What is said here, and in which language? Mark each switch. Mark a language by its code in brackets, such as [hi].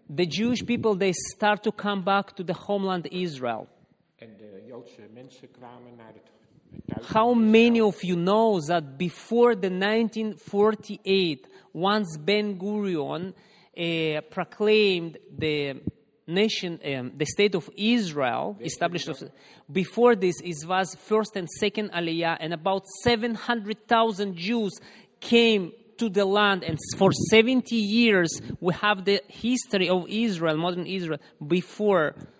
[en] The Jewish people, they start to come back to the homeland, Israel. [nl] En de Joodse mensen kwamen naar het. [en] How many of you know that before the 1948, once Ben Gurion proclaimed the nation, the state of Israel, established, before this, it was first and second Aliyah, and about 700,000 Jews came to the land, and for 70 years, we have the history of Israel, modern Israel, before.